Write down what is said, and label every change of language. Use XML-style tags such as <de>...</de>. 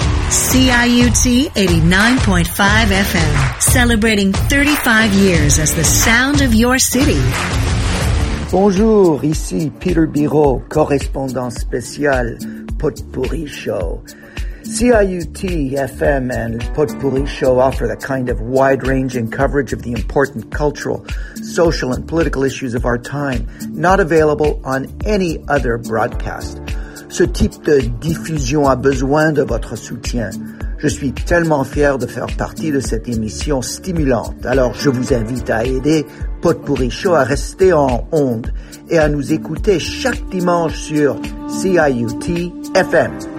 <en>CIUT 89.5 FM, celebrating 35 years as the sound of your city.</en> <fr>Bonjour, ici Peter Biro, correspondant spécial Potpourri Show.</fr> <en>CIUT FM and Potpourri Show offer the kind of wide-ranging coverage of the important cultural, social, and political issues of our time, not available on any other broadcast.</en> <fr>Ce type de diffusion a besoin de votre soutien. Je suis tellement fier de faire partie de cette émission stimulante. Alors, je vous invite à aider Potpourri Show à rester en onde et à nous écouter chaque dimanche sur CIUT FM.</fr>